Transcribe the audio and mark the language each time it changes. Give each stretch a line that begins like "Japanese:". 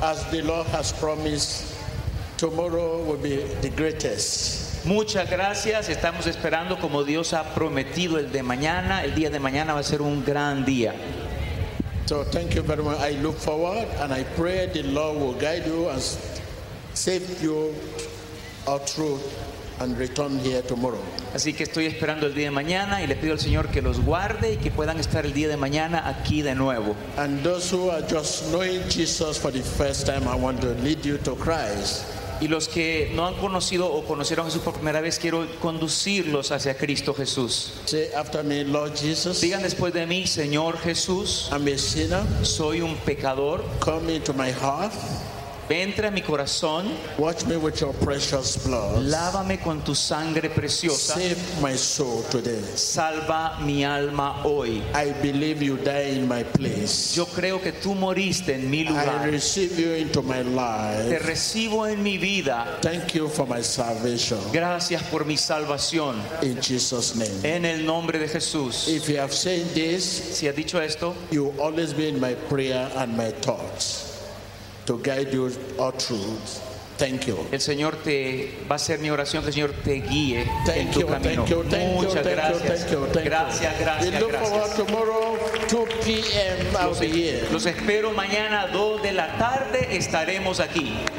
English: The Lord has promised tomorrow will be the greatest.
Spanish: Muchas gracias. Estamos esperando como Dios ha prometido el de mañana. El día de mañana va a ser un gran día.
English: So thank you very much. I look forward and I pray the Lord will guide you and save you out through and return here tomorrow.
Spanish: Así que estoy esperando el día de mañana y le pido al Señor que los guarde y que puedan estar el día de mañana aquí de nuevo.
English: And those who are just knowing Jesus for the first time, I want to lead you to Christ.
Spanish: Y los que no han conocido o conocieron a Jesús por primera vez, quiero conducirlos hacia Cristo Jesús.
English: Say after me, Lord Jesus.
Spanish: Digan después de mí, Señor Jesús.
English: I'm a sinner.
Spanish: Soy un pecador.
English: Come into my heart.
Spanish: Entra a mi corazón.
English: Watch me with your precious blood.
Spanish: Lávame con tu sangre preciosa.
English: Save my soul today.
Spanish: Salva mi alma hoy.
English: I believe you die in my place.
Spanish: Yo creo que tú moriste en mi lugar.
English: I receive you into my life.
Spanish: Te recibo en mi vida.
English: Thank you for my salvation.
Spanish: Gracias por mi salvación.
English: In Jesus' name.
Spanish: En el nombre de Jesús.
English: If you have said this,
Spanish: si has dicho esto,
English: you always be in my prayer and my thoughts. To guide you all truth. Thank you.
Spanish: El Señor te va a ser mi oración, que el Señor te guíe en tu camino.
English: Thank you, thank you,
Spanish: muchas
English: thank
Spanish: gracias.
English: You, thank you, thank
Spanish: gracias,
English: you.
Spanish: Gracias, gracias.
English: We look forward tomorrow 2 p.m. I'll be here.
Spanish: Los espero mañana 2 de la tarde estaremos aquí.